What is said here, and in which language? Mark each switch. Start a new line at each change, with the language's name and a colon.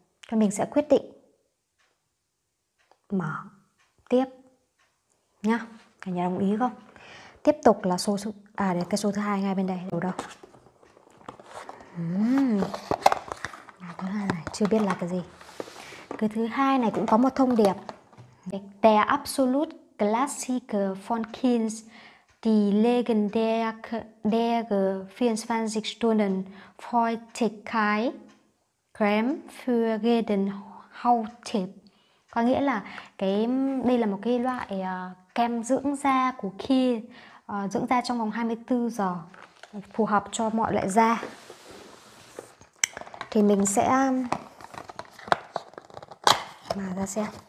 Vietnamese: Thì mình sẽ quyết định mở tiếp nhá. Cả nhà đồng ý không? Tiếp tục là số à để cái số thứ hai ngay bên đây đâu. Thứ hai này chưa biết là cái gì. Cái thứ hai này cũng có một thông điệp.
German: Der absolut Klassiker von Kinz, die Legende der 24 Stunden Feuchtigkeit Creme für jeden Hauttyp.
Vietnamese: Có nghĩa là cái đây là một cái loại kem dưỡng da của Kiehl's, dưỡng da trong vòng 24 giờ, phù hợp cho mọi loại da. Thì mình sẽ mở ra xem.